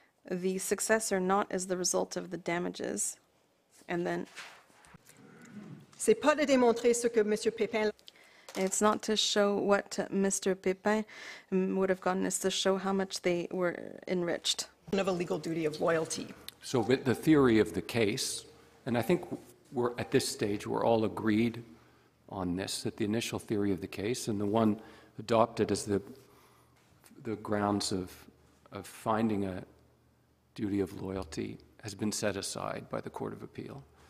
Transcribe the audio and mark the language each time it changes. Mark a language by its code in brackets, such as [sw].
[en] The success or not is the result of the damages. And then, [fr] c'est pas de démontrer ce que Monsieur Pépin. [en] It's not to show what Mr. Pépin would have gotten, it's to show how much they were enriched. Of a legal duty of loyalty. So with the theory of the case, and I think we're at this stage, we're all agreed on this, that the initial theory of the case and the one adopted as the grounds of finding a duty of loyalty has been set aside by the Court of Appeal.